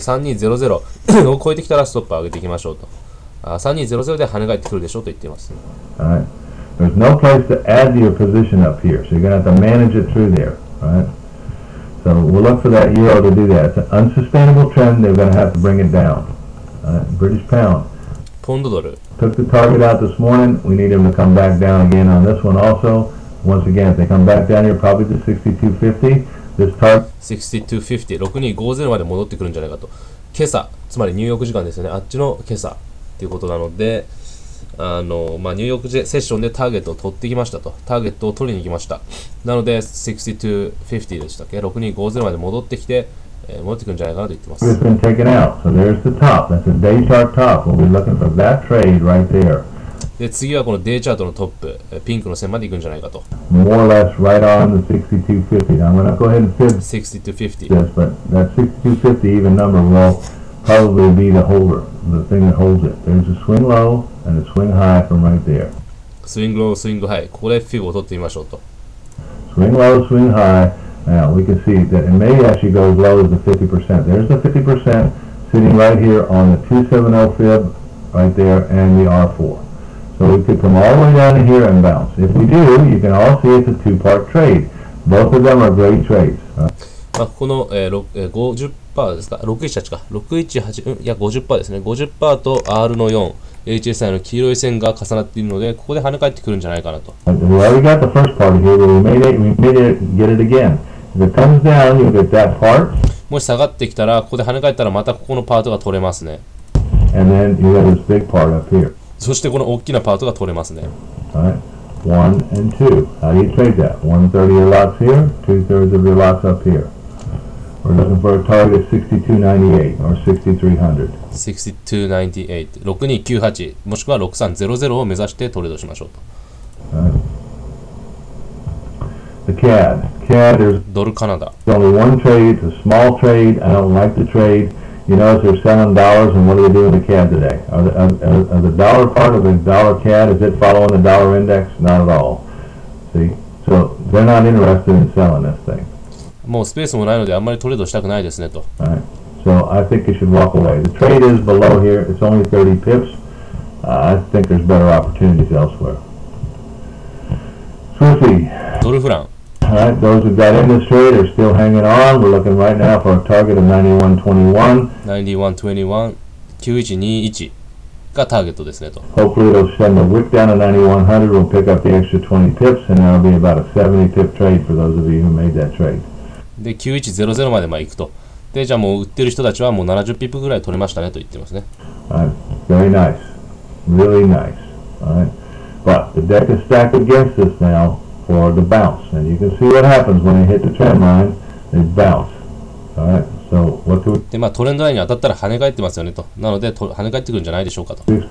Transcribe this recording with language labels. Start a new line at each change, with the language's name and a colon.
Japanese: 3230を超えてきたらストップ上げていきましょうと。3200で跳ね返ってくるでしょうと言っています。はい。
English: There's no place to add your position up here, so you're going to have to manage it through there. Right? So we'll look for that euro to do that. It's an unsustainable trend, they're going to have to bring it down. Right? British pound.
Japanese: ポンドドル。
English: Took the target out this morning, we need them to come back down again on this one also. Once again, if they come back down here, probably to 6250. This target.
Japanese: 6250、6250まで戻ってくるんじゃないかと。今朝、つまりニューヨーク時間ですよね、あっちの今朝。ということなので、まあ、ニューヨークセッションでターゲットを取ってきましたと。ターゲットを取りに行きました。なので、6250でしたっけ ?6250 まで戻ってきて、戻ってくるんじゃないかなと言ってます。
English: It's been taken out. So there's the top. That's a day chart top. We'll be looking for that trade right there.
Japanese: で、次はこのデイチャートのトップ、ピンクの線まで行くんじゃないかと。
English: More or less right on the 6250. Now I'm going to go ahead and fib 6250. Yes, but that 6250 even number will probably be the holder. The thing that holds it. There's a swing low and a swing high from right there. Swing low, swing high.
Japanese: ここでフィブを取ってみましょうと。
English: Swing low, swing high. Now we can see that it may actually go as low as the 50%. There's the 50% sitting right here on the 270 fib right there and the R4. So we could come all the way down to here and bounce. If we do, you can all see it's a two-part trade. Both of them are great trades.
Japanese: まあ、この、50% ですか ?618 か。618、いや、50% ですね。 50% と R の4、HSI の黄色い線が重なっているので、ここで跳ね返ってくるんじゃないかなと。
English: We already got the first part here, but we may get it again. If it comes down, you get that part.
Japanese: もし下がってきたら、ここで跳ね返ったら、またここのパートが取れますね。
English: And then you got this big part up here.
Japanese: そして、この大きなパートが取れますね。
English: 1 and 2. How do you trade that? 1/3 of your lots here, 2/3 of your lots up here. We're looking for a target 6298 or 6300.
Japanese: 6298. 6298. もしくは6300を目指してトレードしましょうと。
English: The CAD. CAD is
Japanese: ドルカナダ。
English: It's only one trade. It's a small trade. I don't like the trade. You notice there's $7 and what are they doing with the CAD today? Are the dollar part of the dollar CAD, is it following the dollar index? Not at all. See? So they're not interested in selling this thing.
Japanese: もうスペースもないのであんまりトレードしたくないですねと。
English: So I think you should walk away. The trade is below here. It's only 30 pips. I think there's better opportunities elsewhere. Swissy.
Japanese: ドルフラン。
English: Alright, those who got in this trade are still hanging on. We're looking right now for a target of 9121. 9121. 9121.
Japanese: がターゲットですねと。
English: Hopefully it'll send a wick down to 9100, we'll pick up the extra 20 pips, and that'll be about a 70 pip trade for those of you who made that trade.
Japanese: で、9100までまあ行くと。で、じゃあもう売ってる人たちはもう70ピップぐらい取れましたねと言ってますね。
English: Very nice. Really nice. Alright. But the deck is stacked against us now for the bounce. And you can see what happens when they hit the trend line, they bounce. Alright. So, what do we...
Japanese: で、まあ、トレンドラインに当たったら跳ね返ってますよねと。なので跳ね返ってくるんじゃないでしょうかと。